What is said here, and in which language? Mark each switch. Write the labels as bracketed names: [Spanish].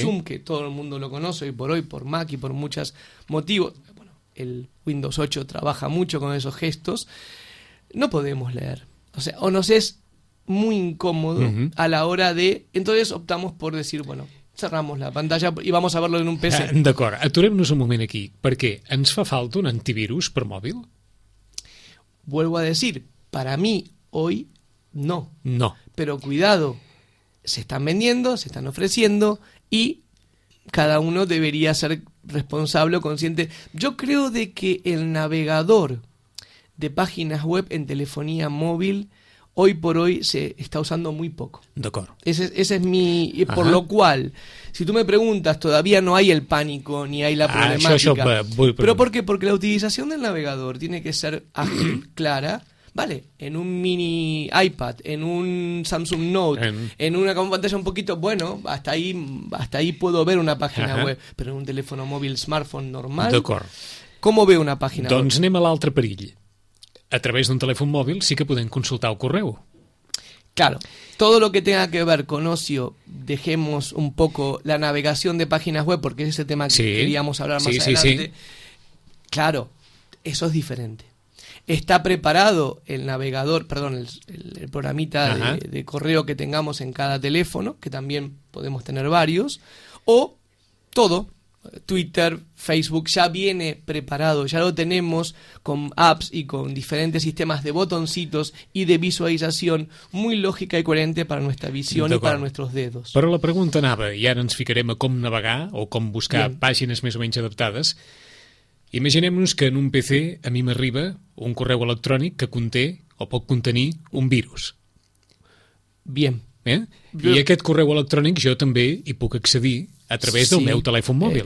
[Spanish] zoom, que todo el mundo lo conoce hoy por hoy, por Mac y por muchos motivos, bueno, el Windows 8 trabaja mucho con esos gestos, no podemos leer. O sea, o nos es muy incómodo uh-huh. a la hora de... Entonces optamos por decir, bueno, cerramos la pantalla y vamos a verlo en un PC. [Catalan] D'acord, aturem-nos un moment aquí. ¿Per què? ¿Ens fa falta un antivirus per mòbil? [Spanish] Vuelvo a decir, para mí, hoy, no. No. Pero cuidado, se están vendiendo, se están ofreciendo y cada uno debería ser responsable o consciente. Yo creo de que el navegador de páginas web en telefonía móvil, hoy por hoy se está usando muy poco. [Catalan] D'acord. [Spanish] Ese es mi... Por ajá. lo cual, si tú me preguntas, todavía no hay el pánico ni hay la problemática. ¿Pero por qué? Porque la utilización del navegador tiene que ser ágil, clara. Vale, en un mini iPad, en un Samsung Note, en una pantalla un poquito, bueno, hasta ahí puedo ver una página ajá. web, pero en un teléfono móvil, smartphone normal. [Catalan] D'acord. [Spanish] ¿Cómo veo una página [Catalan] doncs web? Anem a l'altre perill. A través d'un telèfon mòbil sí que podem consultar el correu. [Spanish] Claro, todo lo que tenga que ver con ocio, dejemos un poco la navegación de páginas web, porque es ese tema que sí. queríamos hablar más sí, adelante. Sí, sí. Claro, eso es diferente. está preparado el navegador, perdón, el programita de correo que tengamos en cada teléfono, que también podemos tener varios, o todo, Twitter, Facebook, ya viene preparado, ya lo tenemos con apps y con diferentes sistemas de botoncitos y de visualización muy lógica y coherente para nuestra visión y para nuestros dedos. [Catalan] Però la pregunta anava, i ara ens ficarem a com navegar o com buscar pàgines més o menys adaptades. Imaginem-nos que en un PC a mi m'arriba un correu electrònic que conté o pot contenir un virus. I aquest correu electrònic jo també hi puc accedir a través del meu telèfon mòbil.